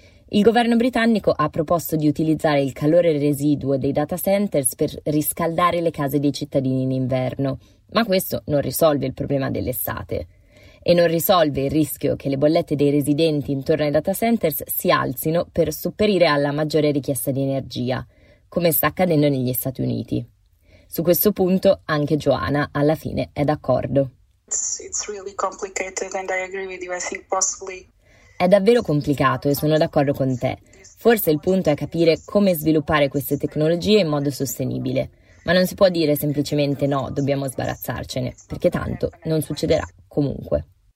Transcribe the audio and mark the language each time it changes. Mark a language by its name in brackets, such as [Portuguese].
[Italian] Il governo britannico ha proposto di utilizzare il calore residuo dei data centers per riscaldare le case dei cittadini in inverno, ma questo non risolve il problema dell'estate. E non risolve il rischio che le bollette dei residenti intorno ai data centers si alzino per sopperire alla maggiore richiesta di energia, come sta accadendo negli Stati Uniti. Su questo punto anche Joanna alla fine è d'accordo. [English] It's really complicated and I agree with you. I think possibly... [Italian] È davvero complicato e sono d'accordo con te. Forse il punto è capire come sviluppare queste tecnologie in modo sostenibile. Ma non si può dire semplicemente no, dobbiamo sbarazzarcene, perché tanto non succederà comunque.